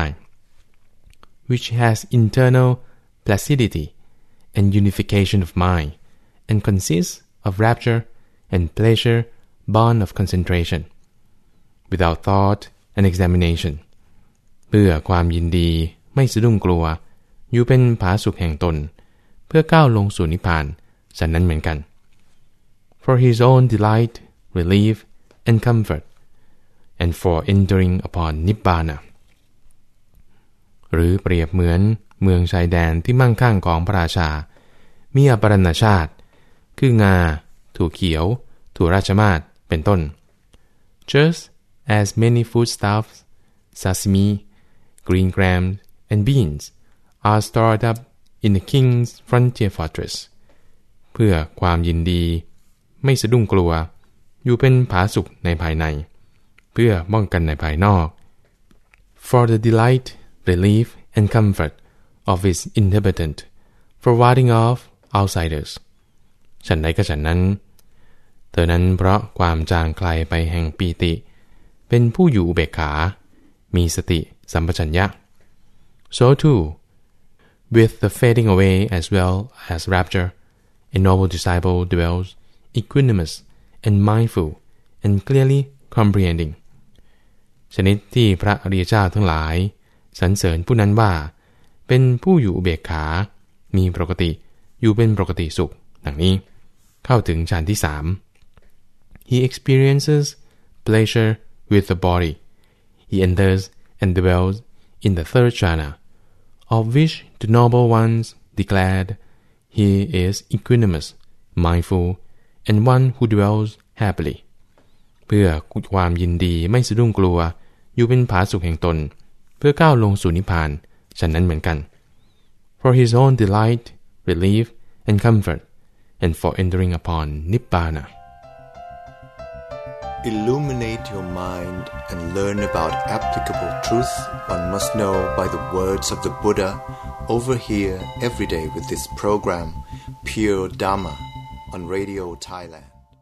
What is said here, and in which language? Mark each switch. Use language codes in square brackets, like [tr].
[en] which has internal placidity and unification of mind and consists of rapture and pleasure born of concentration without thought and examination [th] เพื่อความยินดีไม่สะดุ้งกลัวอยู่เป็นผาสุขแห่งตนเพื่อก้าวลงสู่นิพพานฉะนั้นเหมือนกัน [en] for his own delight, relief, and comfort and for entering upon Nibbana. [th] หรือเปรียบเหมือนเมืองชายแดนที่มั่งคั่งของพระราชามีอปรณชาติคืองาถั่วเขียวถั่วราชมาศเป็นต้น [en] Just as many foodstuffs, sesame, green grams, and beans are stored up in the king's frontier fortress. [th] เพื่อความยินดีไม่สะดุ้งกลัวอยู่เป็นผาสุกในภายในเพื่อป้องกันในภายนอก [en] For the delight, relief, and comfort of its inhabitant, for warding off outsiders. [th] ฉันใดก็ฉันนั้นเธอนั้นเพราะความจางคลายไปแห่งปีติเป็นผู้อยู่อุเบกขามีสติสัมปชัญญะ [en] So too, with the fading away as well as rapture, a noble disciple dwells equanimous and mindful and clearlyComprehending. [th] ชนิดที่พระอริยเจ้าทั้งหลายสรรเสริญผู้นั้นว่าเป็นผู้อยู่อุเบกขามีปกติอยู่เป็นปกติสุขดังนี้เข้าถึงฌานที่3 [en] He experiences pleasure with the body. He enters and dwells in the third jhana, of which the noble ones declared he is equanimous, mindful, and one who dwells happily. เพื่อความยินดีไม่สะดุ้งกลัวอยู่เป็นผาสุขแห่งตนเพื่อก้าวลงสู่นิพพานฉะนั้นเหมือนกัน For his own delight, relief, and comfort, and for entering upon Nibbana. Illuminate your mind and learn about applicable truth one must know by the words of the Buddha over here every day with this program, Pure Dharma, on Radio Thailand.